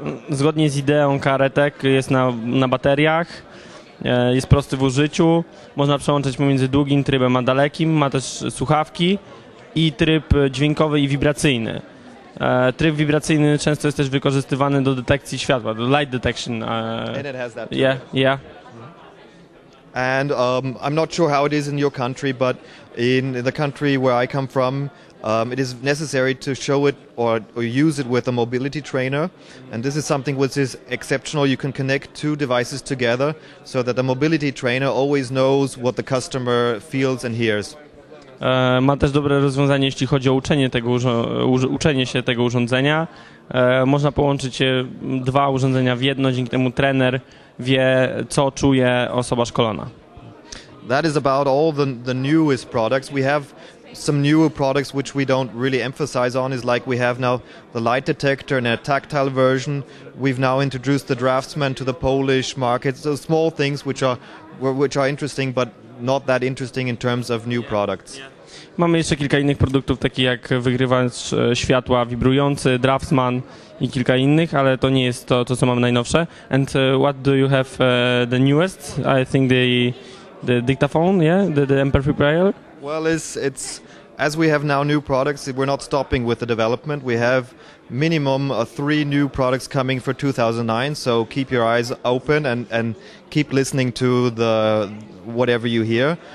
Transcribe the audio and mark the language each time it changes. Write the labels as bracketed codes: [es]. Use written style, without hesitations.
[pl] Zgodnie z ideą CareTech jest na bateriach. jest prosty w użyciu, można przełączać pomiędzy długim trybem a dalekim, ma też słuchawki i tryb dźwiękowy i wibracyjny. Tryb wibracyjny często jest też wykorzystywany do detekcji światła, do [en] light detection. And it has that too. And I'm not sure how it is in your country, but in the country where I come from, it is necessary to show it or use it with a mobility trainer. And this is something which is exceptional. You can connect two devices together so that the mobility trainer always knows what the customer feels and hears. [pl] Ma też dobre rozwiązanie, jeśli chodzi o uczenie się tego urządzenia. Można połączyć dwa urządzenia w jedno, dzięki temu trener wie, co czuje osoba szkolona. [en] That is about all the newest products. We have some newer products which we don't really emphasize on, is like we have now the light detector in a tactile version. We've now introduced the draftsman to the Polish market. So small things which are interesting, but not that interesting in terms of new products. [pl] Mamy jeszcze kilka innych produktów, takich jak wygrywacz światła wibrujący, draftsman i kilka innych, ale to nie jest to co mamy najnowsze. [en] And what do you have the newest? I think the dictaphone, yeah, the amplifier. Well, it's as we have now new products, we're not stopping with the development. We have minimum three new products coming for 2009. So keep your eyes open and keep listening to the whatever you hear.